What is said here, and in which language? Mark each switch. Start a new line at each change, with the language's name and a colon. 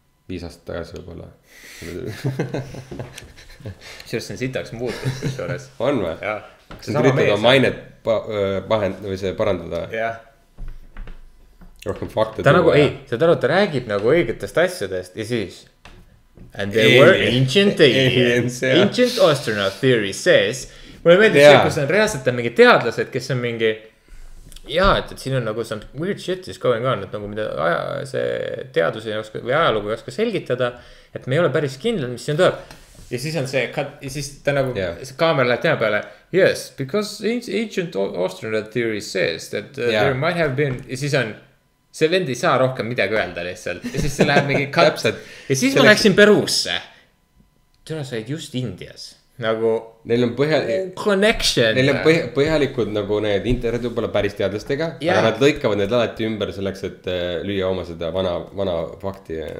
Estonian: viis aastat tagasi võib-olla. Sellest on sitaks muutunud kusjuures. On või? Jah. See üritada on mainet parandada. Jah. Rohkem fakte. Ta nagu, ei, sa tõnud, ta räägib nagu õigetest asjadest ja siis...
English: And there were ancient aliens. Ancient astronaut theory says.
Estonian: Mulle meeldis see, kus on reaalselt on mingi teadlased, kes on mingi... Jah, et siin on nagu
English: some weird shit is going on,
Estonian: et nagu mida aja, see teaduse või ajalugu ei oska selgitada, et me ei ole päris kindlad, mis siin tuleb. Ja siis on see, ja siis ta nagu see kaamera läheb tema peale.
English: Yes, because ancient astronaut theory says that there might have been...
Estonian: Ja siis on... See vend ei saa rohkem midagi öelda lihtsalt. Ja siis see läheb mingi katsed. Ja siis selleks... ma läksin Peruusse. Tule said just Indias. Nagu... Neil on
English: connection.
Estonian: Neil on põhjalikud nagu need internet juba päris teadlastega.
English: Yeah.
Estonian: Aga nad lõikavad need alati ümber selleks, et lüüa oma seda vana fakti.